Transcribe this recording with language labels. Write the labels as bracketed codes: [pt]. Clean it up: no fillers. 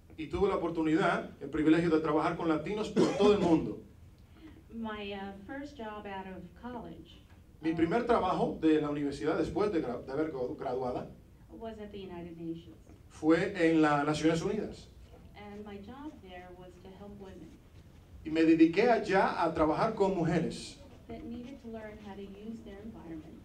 [es] Y tuve la oportunidad, el privilegio de trabajar con latinos por todo el mundo. [en] My first job out of college. [es] Mi primer trabajo de la universidad después de haber graduada. [en] Was at the United Nations. [es] Fue en las Naciones Unidas. [en] And my job there was to help women. [es] Y me dediqué allá a trabajar con mujeres. [en] That needed to learn how to use their environment.